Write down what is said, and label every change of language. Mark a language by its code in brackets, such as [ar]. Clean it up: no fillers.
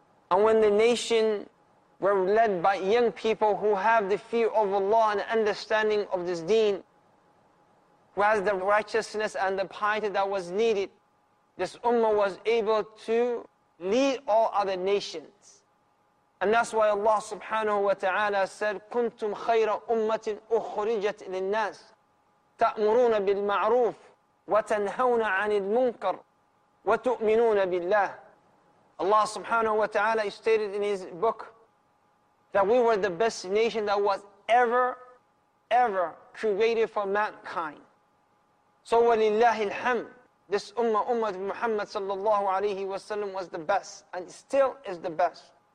[en] And when the nation were led by young people who have the fear of Allah and understanding of this deen, who has the righteousness and the piety that was needed, this ummah was able to lead all other nations. And that's why Allah subhanahu wa ta'ala said, [ar] كُنْتُمْ خَيْرَ أُمَّةٍ أُخْرِجَتْ لِلنَّاسِ تَأْمُرُونَ بِالْمَعْرُوفِ وَتَنْهَوْنَ عَنِ الْمُنْكَرِ وَتُؤْمِنُونَ بِاللَّهِ. [en] Allah subhanahu wa ta'ala stated in his book that we were the best nation that was ever created for mankind. So [ar] وَلِلَّهِ الْحَمْدِ, [en] this ummah of Muhammad sallallahu alayhi wa sallam was the best and still is the best.